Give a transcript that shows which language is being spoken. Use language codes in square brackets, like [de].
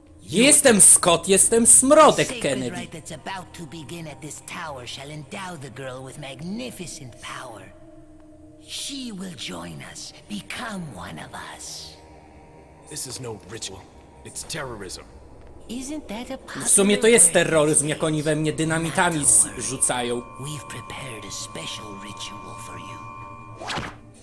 [pl] Nie jestem Scott, jestem Smrodek Kennedy. [en] Sacred rite that's about to begin at this tower shall endow the girl with magnificent power. She will join us, become one of us. This is no ritual, it's terrorism. Isn't that a possible... [pl] W sumie to jest terroryzm, jak oni we mnie dynamitami zrzucają. [en] We've prepared a special ritual for you.